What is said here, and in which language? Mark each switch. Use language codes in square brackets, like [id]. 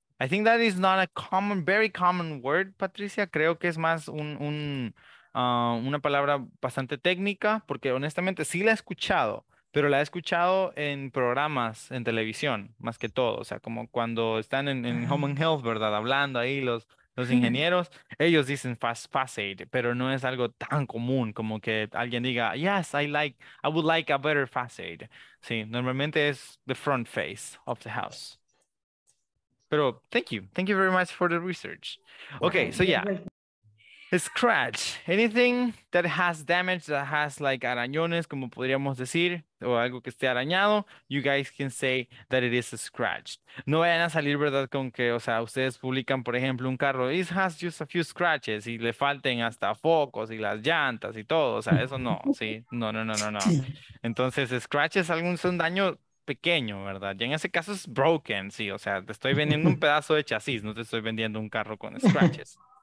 [en] I think that is not a common, very common word, Patricia. [es] Creo que es más una palabra bastante técnica, porque honestamente sí la he escuchado. Pero la he escuchado en programas, en televisión, más que todo. O sea, como cuando están en Home and Health, ¿verdad? Hablando ahí los ingenieros, ellos dicen facade, pero no es algo tan común como que alguien diga, [en] yes, I would like a better facade. [es] Sí, normalmente es [en] the front face of the house. [es] Pero [en] thank you very much for the research. Okay, so yeah. Scratch, anything that has damage, that has like arañones, [es] como podríamos decir, o algo que esté arañado, [en] you guys can say that it is scratched. [es] No vayan a salir, ¿verdad? Con que, o sea, ustedes publican, por ejemplo, un carro, [en] it has just a few scratches, [es] y le falten hasta focos y las llantas y todo, o sea, eso no, ¿sí? No. Entonces, scratch es un daño pequeño, ¿verdad? Y en ese caso es broken, sí, o sea, te estoy vendiendo un pedazo de chasis, no te estoy vendiendo un carro con scratches.